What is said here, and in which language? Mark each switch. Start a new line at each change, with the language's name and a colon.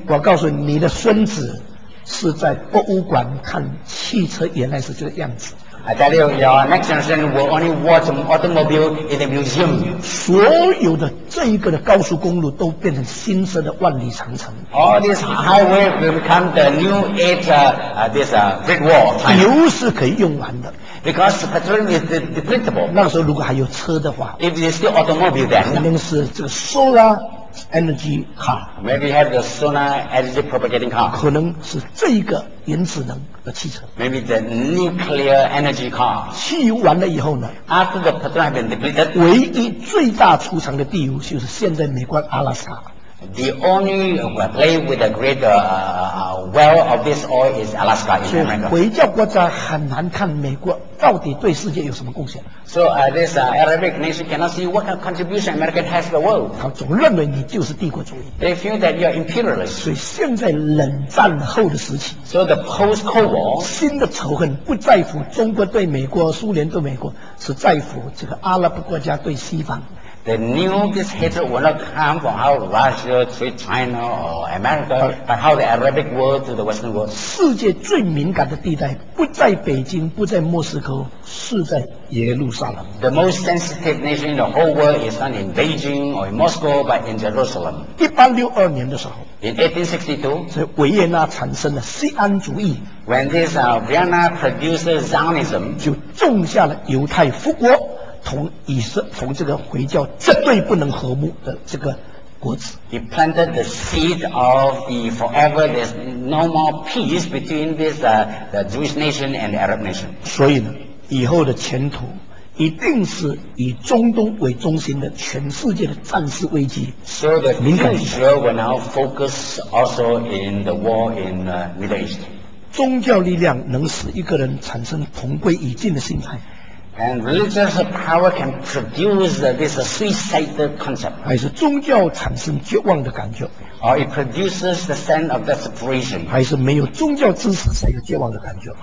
Chinese: 我告诉你，你的孙子是在博物馆看汽车原来是这个样子。
English: I tell you, your next generation will only watch automobile in the museum.
Chinese: 所有的这一个的高速公路都变成新设的万里长城。
English: All these highways will become the new age, Great Wall.
Chinese: 油是可以用完的。
English: Because petrol is depletable.
Chinese: 那时候如果还有车的话
English: ，If there's still automobile, then
Chinese: 肯定是这个
English: solar energy car. Maybe you have the solar energy propagating car.
Chinese: 可能是这一个原子能的汽车。
English: Maybe the nuclear energy car.
Chinese: 汽油完了以后呢
English: ？After the petrol has been depleted.
Chinese: 唯一最大储藏的地油就是现在美国阿拉斯加。
English: The only place with a great well of this oil is Alaska in America.
Chinese: 回教国家很难看美国到底对世界有什么贡献。
English: So this Arabic nation cannot see what kind of contribution America has to the world.
Chinese: 他总认为你就是帝国主义。
English: They feel that you are imperialist.
Chinese: 所以现在冷战后的时期。
English: So the post-Cold War.
Chinese: 新的仇恨不在乎中国对美国、苏联对美国，是在乎这个阿拉伯国家对西方。
English: The new this hatred will not come from how Russia treat China or America, but how the Arabic world to the Western world.
Chinese: 世界最敏感的地带不在北京，不在莫斯科，是在耶路撒冷。
English: The most sensitive nation in the whole world is not in Beijing or in Moscow, but in Jerusalem.
Chinese: 1862年的时候
English: ，In 1862,
Chinese: 所以维也纳产生了锡安主义。
English: When this Vienna produces Zionism,
Chinese: 就种下了犹太复国。从这个回教绝对不能和睦的这个果子。
English: He planted the seed of the forever there's no more peace between this the Jewish nation and the Arab nation.
Chinese: 所以呢，以后的前途一定是以中东为中心的全世界的战事危机。
English: So the future will now focus also in the war in the Middle East.
Chinese: 宗教力量能使一个人产生同归于尽的心态。
English: And religious power can produce this suicide concept.
Chinese: 还是宗教产生绝望的感觉。
English: Or it produces the sense of desperation.
Chinese: 还是没有宗教支持才有绝望的感觉。